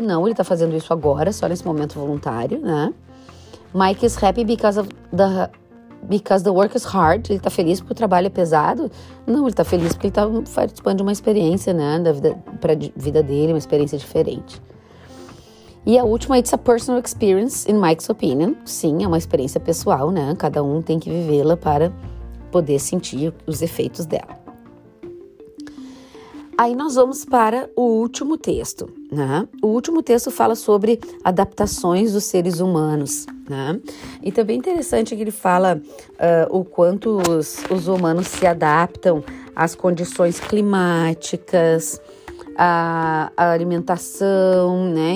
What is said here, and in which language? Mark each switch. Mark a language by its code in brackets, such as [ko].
[pt] Não, ele tá fazendo isso agora, só nesse momento voluntário, né? [en] Mike is happy because of the... Because the work is hard, [pt] ele tá feliz porque o trabalho é pesado? Não, ele tá feliz porque ele tá participando de uma experiência, né, da vida, pra vida dele, uma experiência diferente. E a última, [en] it's a personal experience, in Mike's opinion. [pt] Sim, é uma experiência pessoal, né? Cada um tem que vivê-la para poder sentir os efeitos dela. Aí nós vamos para o último texto, né? O último texto fala sobre adaptações dos seres humanos, né? E também é interessante que ele fala o quanto os humanos se adaptam às condições climáticas, à alimentação, né?